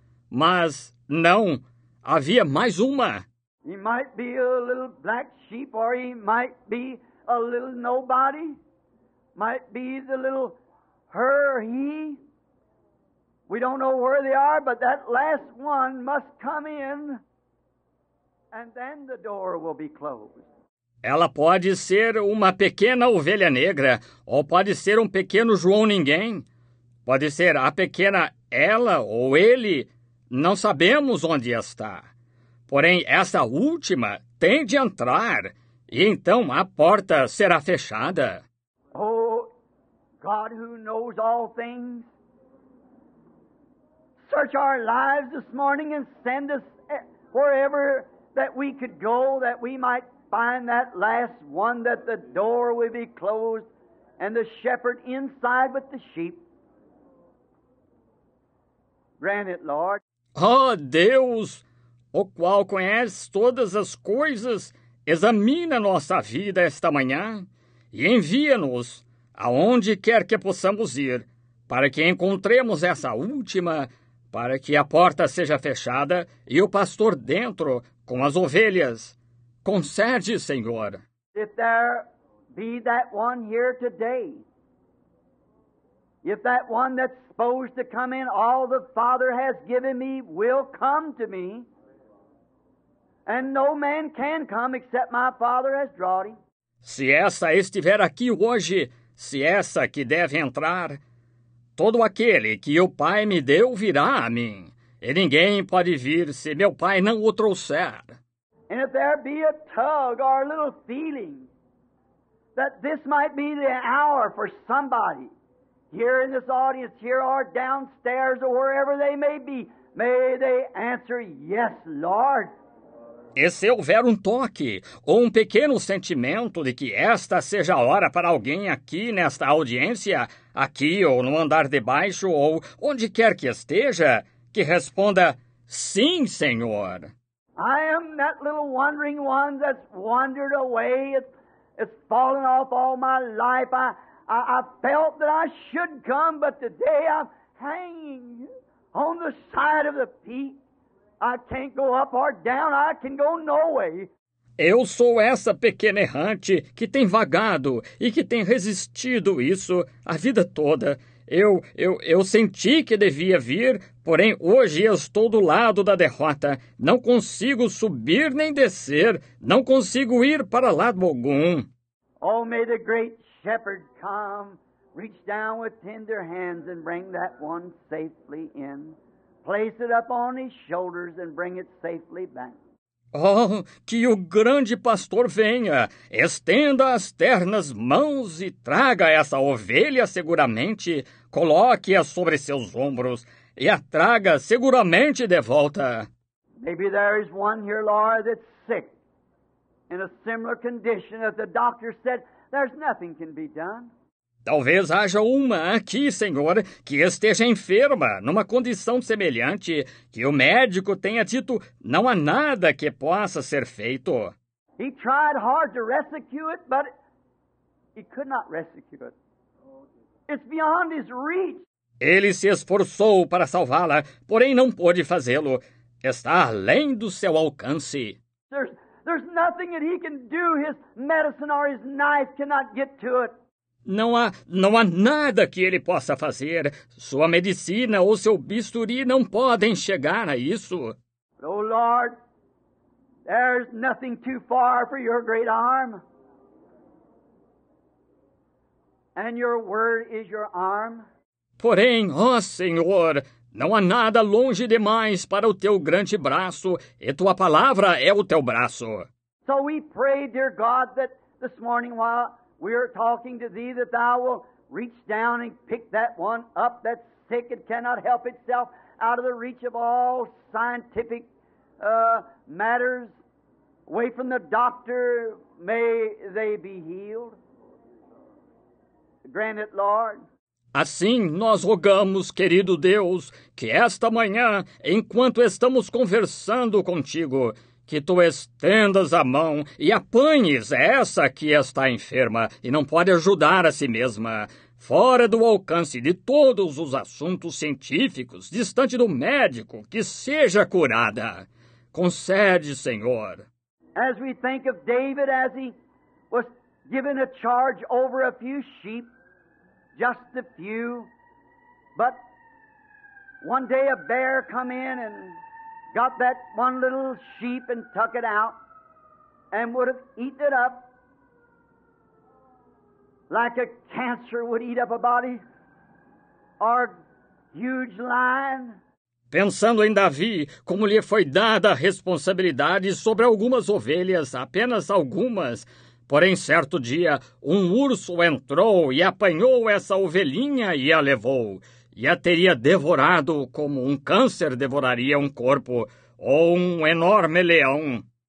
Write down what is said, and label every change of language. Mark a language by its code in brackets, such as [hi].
[pt] Mas não, havia mais uma. [en] He might be a little black sheep, or he might be a little nobody. Might be the little her or he. We don't know where they are, but that last one must come in, and then the door will be closed. [pt] Ela pode ser uma pequena ovelha negra, ou pode ser um pequeno João Ninguém. Pode ser a pequena ela ou ele. Não sabemos onde está, porém essa última tem de entrar, e então a porta será fechada. [en] Oh, God who knows all things, search our lives this morning and send us wherever that we could go that we might find that last one that the door will be closed and the shepherd inside with the sheep. Grant it, Lord. [pt] Oh, Deus, o qual conhece todas as coisas, examina nossa vida esta manhã e envia-nos aonde quer que possamos ir, para que encontremos essa última, para que a porta seja fechada e o pastor dentro com as ovelhas. Concede, Senhor. [en] If there be that one here today, if that one that's supposed to come in, all the Father has given me will come to me. And no man can come except my Father has drawn him. [pt] Se essa estiver aqui hoje, se essa que deve entrar, todo aquele que o Pai me deu virá a mim. E ninguém pode vir se meu Pai não o trouxer. [en] And if there be a tug or a little feeling that this might be the hour for somebody, here in this audience, here or downstairs, or wherever they may they answer, yes, Lord. [pt] E se houver um toque, ou um pequeno sentimento de que esta seja a hora para alguém aqui nesta audiência, aqui ou no andar de baixo, ou onde quer que esteja, que responda, sim, Senhor. [en] I am that little wandering one that's wandered away, it's fallen off all my life, I felt that I should come, but today I'm hanging on the side of the peak. I can't go up or down. I can go no way. [pt] Eu sou essa pequena errante que tem vagado e que tem resistido isso a vida toda. Eu senti que devia vir, porém hoje estou do lado da derrota. Não consigo subir nem descer. Não consigo ir para lado algum. [en] Oh, may the great Shepherd come Reach down with tender hands and bring that one safely in. Place it up on his shoulders and bring it safely back. [pt] Oh, que o grande pastor venha, estenda as ternas mãos e traga essa ovelha seguramente, coloque-a sobre seus ombros e a traga seguramente de volta. [en] Maybe there is one here, Laura, that's sick, in a similar condition that the doctor said there's nothing can be done. [pt] Talvez haja uma aqui, senhor, que esteja enferma, numa condição semelhante, que o médico tenha dito não há nada que possa ser feito. [en] He tried hard to rescue it, but he could not rescue it. It's beyond his reach. [pt] Ele se esforçou para salvá-la, porém não pôde fazê-lo. Está além do seu alcance. [en] There's nothing that he can do. His medicine or his knife cannot get to it. [pt] Não há nada que ele possa fazer. Sua medicina ou seu bisturi não podem chegar a isso. [en] Oh, Lord, there's nothing too far for your great arm. And your word is your arm. [pt] Porém, ó Senhor, não há nada longe demais para o teu grande braço, e tua palavra é o teu braço. [en] So we pray, dear God, that this morning while we are talking to thee that thou will reach down and pick that one up that's sick and cannot help itself out of the reach of all scientific matters, away from the doctor, may they be healed. Grant it, Lord. [pt] Assim nós rogamos, querido Deus, que esta manhã, enquanto estamos conversando contigo, que tu estendas a mão e apanhes essa que está enferma e não pode ajudar a si mesma, fora do alcance de todos os assuntos científicos, distante do médico, que seja curada. Concede, Senhor. [en] As we think of David as he was given a charge over a few sheep, just a few, but one day a bear come in and got that one little sheep and tuck it out and would have eaten it up like a cancer would eat up a body or a huge lion. [pt] Pensando em Davi, como lhe foi dada a responsabilidade sobre algumas ovelhas, apenas algumas, porém certo dia um urso entrou e apanhou essa ovelhinha e a levou. E a teria devorado como um câncer devoraria um corpo, ou um enorme leão.